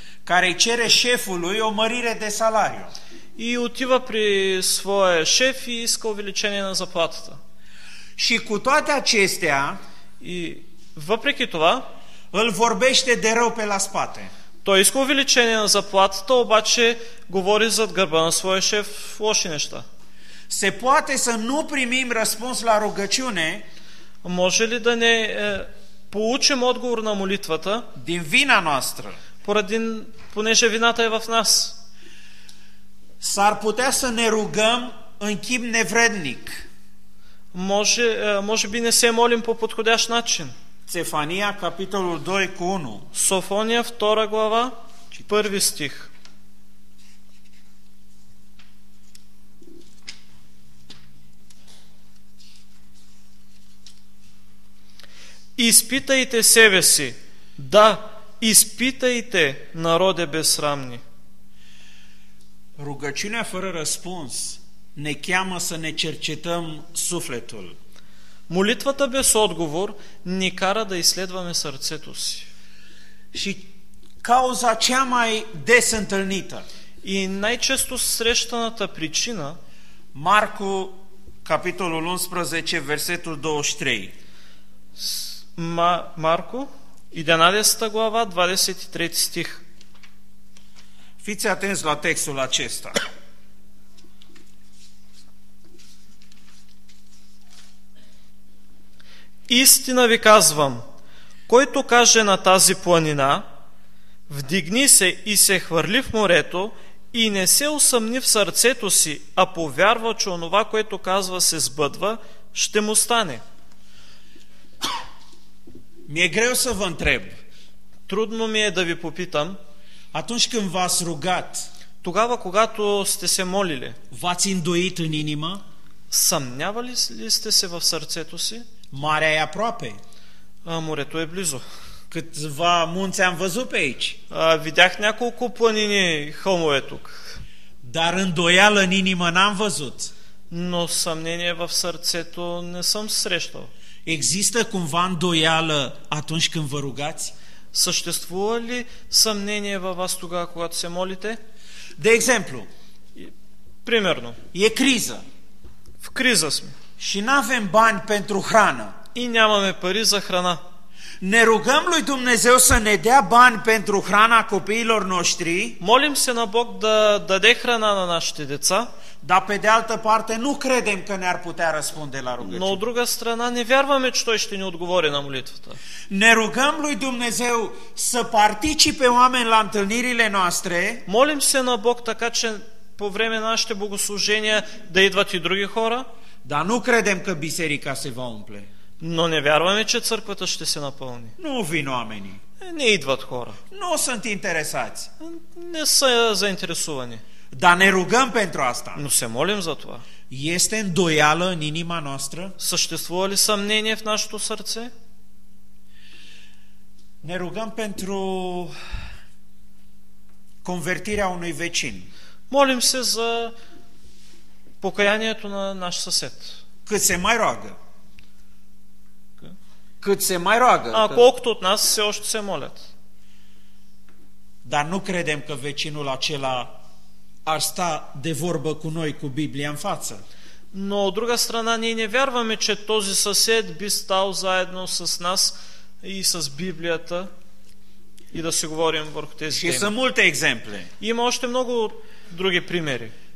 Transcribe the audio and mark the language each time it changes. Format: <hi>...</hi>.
<ro>care îi cere șefului o mărire de salariu.</ro> <bg>И отива при своя шеф и иска увеличение на заплатата.</bg> <ro>Și cu toate acestea,</ro> <bg>и въпреки това,</bg> <ro>îl vorbește de rău pe la spate.</ro> <bg>Той иска увеличение на заплатата, обаче говори зад гърба на своя шеф лоши неща.</bg> <ro>Se poate să nu primim răspuns la rugăciune,</ro> <bg>може ли да не получим отговор на молитвата,</bg> <ro>din vina noastră,</ro> <bg>понеже вината е в нас.</bg> <ro>S-ar putea să ne rugăm în chip nevrednic.</ro> <bg>Може би не се молим по подходящ начин.</bg> <ro>Цефания, капитолul 2 cu 1.</ro> <bg>Софония, 2 глава, 1 стих. Изпитайте себе си. Да, изпитайте народе безсрамни.</bg> <ro>Rugăciunea fără răspuns ne cheamă să ne cercetăm sufletul.</ro> <bg>Молитвата без отговор ни кара да изследваме сърцето си.</bg> <ro>Și cauza cea mai des întâlnită.</ro> <bg>И най-често срещаната причина,</bg> <ro>Marcu capitolul 11 versetul 23.</ro> <bg>Marcu 11 глава 23 стих.</bg> <ro>Fiți atenți la textul acesta.</ro> <bg>Истина ви казвам, който каже на тази планина, вдигни се и се хвърли в морето, и не се усъмни в сърцето си, а повярва, че онова, което казва, се сбъдва, ще му стане.</bg> <ro>Ми е грео са ви întreb.</ro> <bg>Трудно ми е да ви попитам.</bg> <ro>Atunci când v-ați rugat,</ro> <bg>тогава, когато сте се молили,</bg> <ro>v-ați îndoit în inimă,</ro> <bg>съмнявали ли сте се в сърцето си?</bg> <ro>Marea e aproape.</ro> <bg>Морето е близо.</bg> <ro>Câțiva munți am văzut pe aici.</ro> <bg>Видях няколко планини, хълмове тук.</bg> <ro>Dar îndoială în inimă n-am văzut.</ro> <bg>Но съмнение в сърцето не съм срещал.</bg> <ro>Există cumva îndoială atunci când vă rugați?</ro> <bg>Съществува ли съмнение във вас тогава, когато се молите?</bg> <ro>De exemplu.</ro> <bg>Примерно.</bg> <ro>E criză.</ro> <bg>В криза сме.</bg> <ro>Și n-avem bani pentru hrană.</ro> <bg>И нямаме пари за храна.</bg> <ro>Ne rugăm lui Dumnezeu să ne dea bani pentru hrana copiilor noștri.</ro> <bg>Молим се на Бог да даде храна на нашите деца.</bg> <ro>Dar pe de altă parte nu credem că ne-ar putea răspunde la rugăciune.</ro> <bg>Но от друга страна не вярваме, че той ще ни отговори на молитвата.</bg> <ro>Ne rugăm lui Dumnezeu să participe oameni la întâlnirile noastre.</ro> <bg>Молим се на Бог така, че по време на нашите богослужения да идват и други хора.</bg> <ro>Dar nu credem că biserica se va umple.</ro> <bg>Но не вярваме, че църквата ще се напълни.</bg> <ro>Nu vin oamenii.</ro> <bg>Не идват хора.</bg> <ro>Nu sunt interesați.</ro> <bg>Не са заинтересовани.</bg> <ro>Dar ne rugăm pentru asta. Nu se</ro> <bg>молим за това.</bg> <ro>Este îndoială în inima noastră?</ro> <bg>Съществува ли съмнение в нашето сърце?</bg> <ro>Ne rugăm pentru convertirea unui vecin.</ro> <bg>Молим се за покаянието на наш съсед.</bg> <ro>Cât se mai roagă. Cât se mai roagă.</ro> <bg>А колкото от нас все още се молят.</bg> <ro>Dar nu credem că vecinul acela ar sta de vorbă cu noi cu Biblia în față.</ro> <bg>Но от друга страна ние не вярваме, че този съсед би стал заедно с нас и с Библията и да се говорим върху тези теми.</bg> <ro>Și sunt multe exemple.</ro> <bg>Има още много други примери.</bg>